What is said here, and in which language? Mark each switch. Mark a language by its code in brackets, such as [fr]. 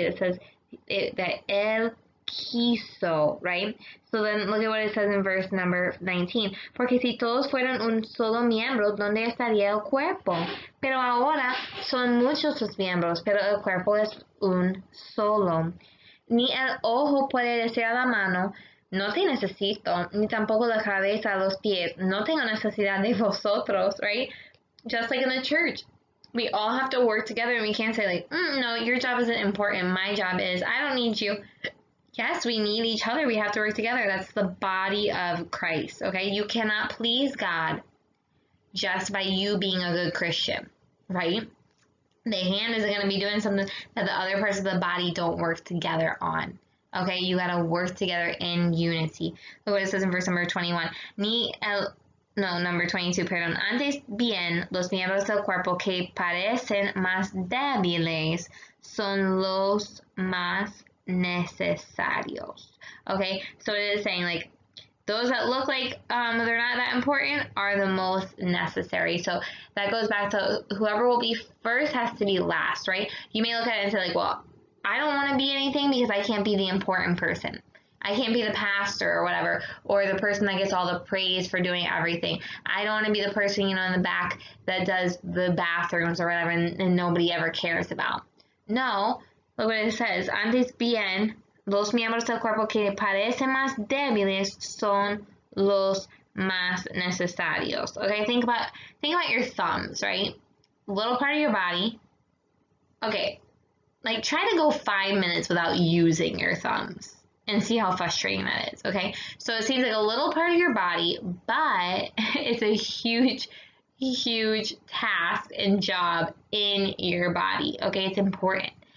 [en] It says that [es] Él quiso, [en] right? So then look at what it says in verse number 19. [es] Porque si todos fueran un solo miembro, ¿dónde estaría el cuerpo? Pero ahora son muchos sus miembros, pero el cuerpo es un solo. Ni el ojo puede decir a la mano, no te necesito, ni tampoco la cabeza a los pies, no tengo necesidad de vosotros, right? [en] Just like in the church. We all have to work together and we can't say like, no, your job isn't important. My job is, I don't need you. Yes, we need each other. We have to work together. That's the body of Christ, okay? You cannot please God just by you being a good Christian, right? The hand isn't going to be doing something that the other parts of the body don't work together on, okay? You got to work together in unity. Look what it says in verse number 21. Number 22, perdón. [es] Antes bien, los miembros del cuerpo que parecen más débiles son los más necesarios. [en] Okay, so it is saying like those that look like they're not that important are the most necessary. So that goes back to whoever will be first has to be last, right? You may look at it and say like, well, I don't want to be anything because I can't be the important person. I can't be the pastor or whatever, or the person that gets all the praise for doing everything. I don't want to be the person, you know, in the back that does the bathrooms or whatever and nobody ever cares about. No. Look what it says. [es] Antes bien, los miembros del cuerpo que parecen más débiles son los más necesarios. [en] Okay, think about your thumbs, right? Little part of your body. Okay, like try to go 5 minutes without using your thumbs and see how frustrating that is, okay? So it seems like a little part of your body, but it's a huge task and job in your body, okay? It's important.